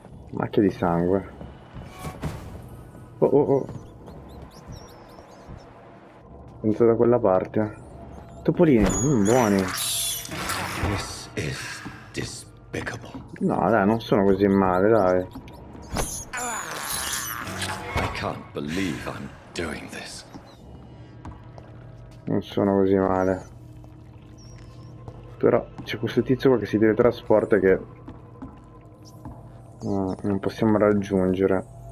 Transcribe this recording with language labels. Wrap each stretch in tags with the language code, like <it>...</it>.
<it>Macchie di sangue. Oh. Entro da quella parte. Topolini, buoni. No, dai, non sono così male,</it> <en>I can't believe I'm doing this.</en> <it>dai. Non sono così male. Però c'è questo tizio qua che si teletrasporta che non possiamo raggiungere.</it>